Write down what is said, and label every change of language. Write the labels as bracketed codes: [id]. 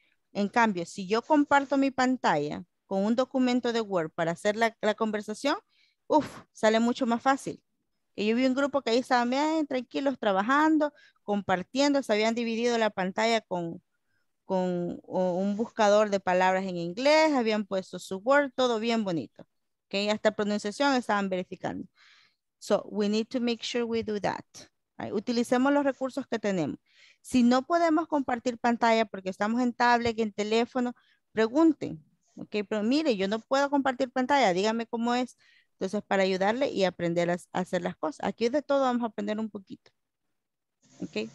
[es] En cambio, si yo comparto mi pantalla con un documento de Word para hacer la conversación, uf, sale mucho más fácil. Y yo vi un grupo que ahí estaban bien tranquilos, trabajando, compartiendo, se habían dividido la pantalla con un buscador de palabras en inglés, habían puesto su Word, todo bien bonito. ¿Okay? Hasta pronunciación estaban verificando. [en] So, we need to make sure we do that. Right? [es] Utilicemos los recursos que tenemos. Si no podemos compartir pantalla porque estamos en tablet, en teléfono, pregunten. ¿Okay? Pero mire, yo no puedo compartir pantalla, dígame cómo es. Entonces, para ayudarle y aprender a hacer las cosas. Aquí de todo vamos a aprender un poquito. ¿Okay?